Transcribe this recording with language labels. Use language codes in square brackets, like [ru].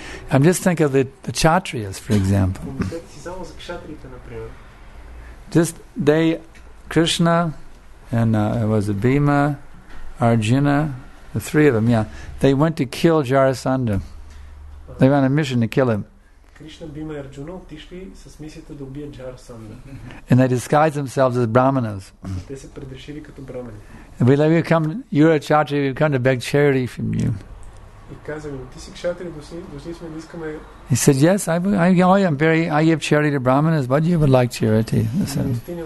[en] I'm just thinking of the Kshatriyas, for example. Krishna and it was Bhima, Arjuna, the three of them, yeah. They went to kill Jarasandha. They went on a mission to kill him. [bg] Krishna, Bhima, Arjuna отишли с мисията да убият Jarasandha. [en] And they disguised themselves as brahmanas. [bg] Те се предрешили като брамани. [en] And we let you come, you're a kshatriya, we've come to beg charity from you. [bg] И казали, ти си кшатри, дошли сме да искаме. [en] He said, yes, I give charity to Brahmanas, but you would like charity. Listen.